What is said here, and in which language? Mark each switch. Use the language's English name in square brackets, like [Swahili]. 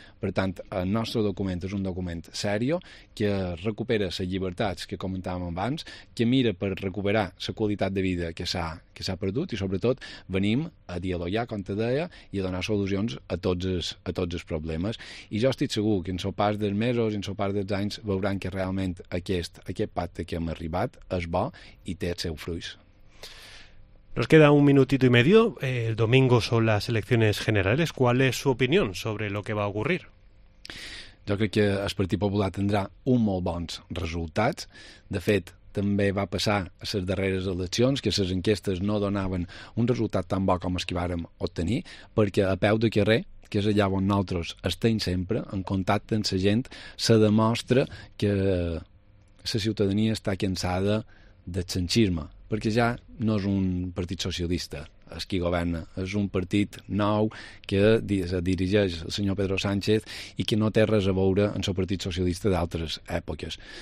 [Catalan] Per tant, el nostre document és un document serio que recupera les llibertats que comentàvem abans, que mira per recuperar la qualitat de vida que s'ha perdut i sobretot venim a dialogar, com te deia, i a donar solucions a tots els problemes. I jo estic segur que en el pas dels mesos i en el pas dels anys veuran que realment aquest pacte que hem arribat es va y te hace un fluís. [Spanish] Nos queda un minutito y medio. El domingo son las elecciones generales. ¿Cuál es su opinión sobre lo que va a ocurrir? Yo creo que el Partido Popular tendrá un [Catalan] molt bons resultats. De fet, també va passar a les darreres eleccions que les enquestes no donaven un resultat tan bo com els que vàrem obtenir, perquè a peu de carrer, que és allà on nosaltres estem sempre en contacte amb la gent, se demostra que la ciutadania està cansada de xanxisme, perquè ja no és un partit socialista el qui governa, és un partit nou que dirigeix el senyor Pedro Sánchez i que no té res a veure amb el partit socialista d'altres èpoques.